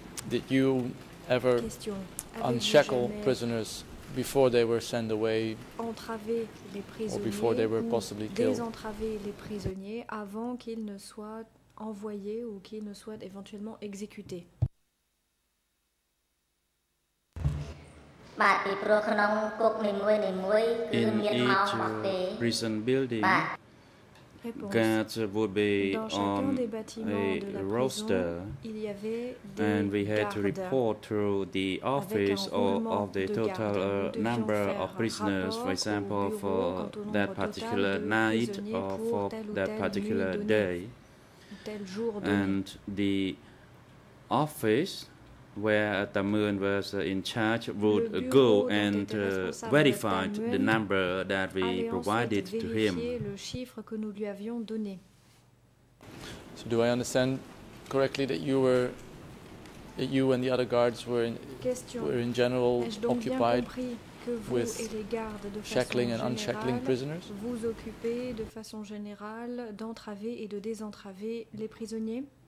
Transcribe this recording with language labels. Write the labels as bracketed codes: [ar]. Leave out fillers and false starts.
[en] Did you ever unshackle prisoners before they were sent away, or before they were possibly killed? [fr] Désentraver les prisonniers avant qu'ils ne soient envoyés ou qu'ils ne soient éventuellement exécutés. [en] In each prison building, guards would be on a roster, and we had to report to the office of the total number of prisoners, for example, for that particular night or for that particular day. And the office where Tamuen was in charge would go and verify the number that we provided to him. So do I understand correctly that you and the other guards were in general occupied with shackling and unshackling prisoners? [fr] Vous occupez de façon générale d'entraver et de désentraver les prisonniers?